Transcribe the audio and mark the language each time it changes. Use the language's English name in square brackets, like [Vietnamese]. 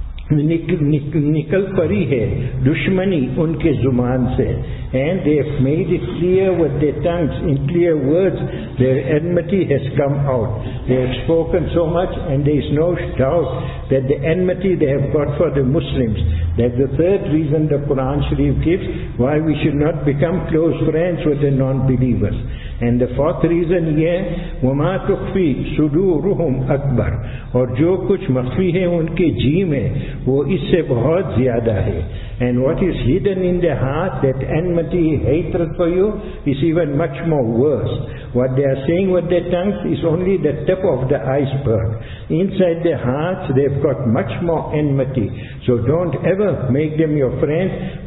[Urdu] Nikal pari hai dushmani unke zuman se, [English] and they have made it clear with their tongues, in clear words, their enmity has come out. They have spoken so much, and there is no doubt that the enmity they have got for the Muslims, that the third reason the Quran Sharif gives why we should not become close friends with the non-believers. And the fourth reason [Urdu] yeh, [Arabic] وَمَا تُخْفِي صُدُورُهُمْ أَكْبَرُ, [Urdu] اور جو کچھ مخفی ہے ان کے جی میں وہ اس سے بہت زیادہ ہے. [English] And what is hidden in their heart, that enmity, hatred for you, is even much more worse. What they are saying with their tongues is only the tip of the iceberg. Inside their hearts, they've got much more enmity. So don't ever make them your friends.